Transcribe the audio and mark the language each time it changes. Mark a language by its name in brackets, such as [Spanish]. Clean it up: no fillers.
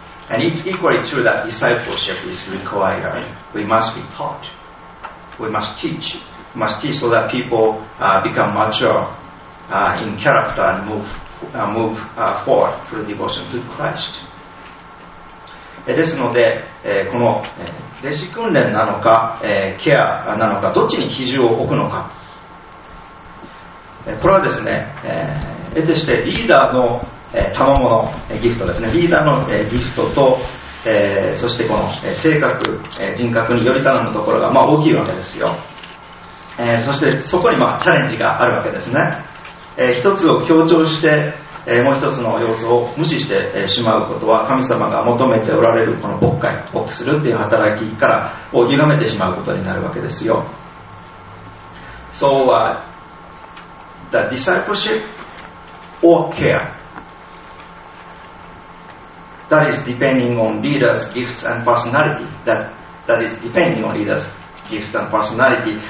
[English] And it's equally true that discipleship is required. We must be taught. We must teach. We must teach so that people become mature in character and move forward through devotion to Christ. [Japanese] ですので、この弟子訓練なのか、ケアなのか、どっちに比重を置くのか。これはですね、得てしてリーダーの賜物ギフトですね、リーダーのギフトと、そしてこの性格、人格により頼むところが、まあ、大きいわけですよ。そしてそこに、まあ、チャレンジがあるわけですね。一つを強調して、もう一つの要素を無視してしまうことは、神様が求めておられるこの牧会、牧するっていう働きからを歪めてしまうことになるわけですよ。 [English] So the discipleship or careThat is depending on leaders' gifts and personality. That is depending on leaders' gifts and personality.